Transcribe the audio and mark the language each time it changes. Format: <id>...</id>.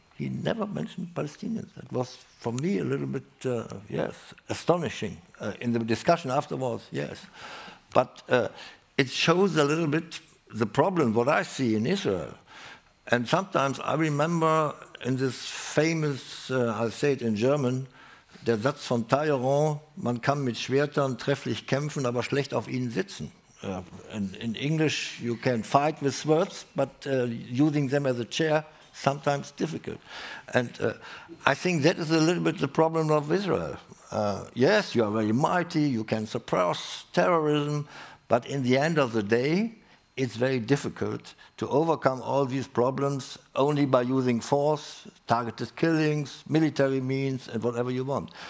<en>He never mentioned Palestinians. That was, for me, a little bit, astonishing. In the discussion afterwards, yes. But it shows a little bit the problem, what I see in Israel. And sometimes I remember in this famous, I say it in German,</en> <de>Der Satz von Talleyrand, man kann mit Schwertern trefflich kämpfen, aber schlecht auf ihnen sitzen.</de> <en>In English, you can fight with swords, but using them as a chair, sometimes difficult. And I think that is a little bit the problem of Israel. Yes, you are very mighty, you can suppress terrorism, but in the end of the day, it's very difficult to overcome all these problems only by using force, targeted killings, military means, and whatever you want.</en>